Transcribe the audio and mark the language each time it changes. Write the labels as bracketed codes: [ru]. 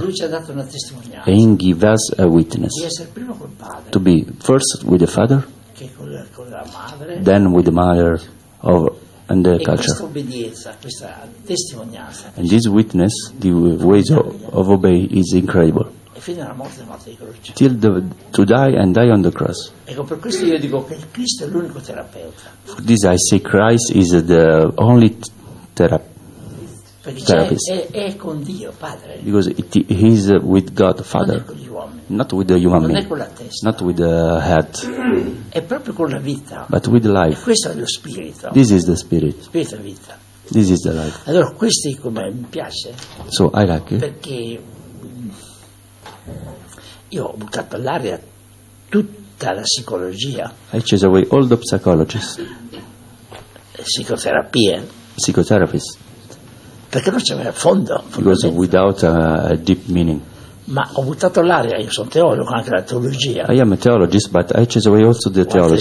[it] Lui ci ha dato una testimonianza. [en] And give us a witness. [it] Di essere prima col padre. [en] To be first with the father. [it] Che con la madre. [en] Then with the mother of and the culture. [it] Questa obbedienza, questa testimonianza. [en] And this witness, the ways of obey is incredible. [it] E fino alla morte, la morte di croce. [en] Till the to die and die on the cross. [it] Ecco, per questo io dico che Cristo è l'unico terapeuta. [en] For this I say Christ is the only therapist. [it] Perché è con Dio Padre. [en] Because he is with God Father. [it] Non è con gli uomini. [en] Not with the human being. [it] Non è con la testa. [en] Not with the head. [it] È proprio con la vita. [en] But with life. [it] E questo è lo spirito. [en] This is the spirit. [it] Spirito e vita. [en] This is the life. [it] Allora questo come mi piace. [en] So I like it. [it] Perché io ho buttato all'aria tutta la psicologia. [en] I chase away all the psychologists. [it] Psicoterapia. [en] Psychotherapist. [it] Perché non c'era fondo. [en] Because without a deep meaning. [it] Ma ho buttato l'aria, io sono teologo anche la teologia. [en] I am a theologist, but I chose away also the theology.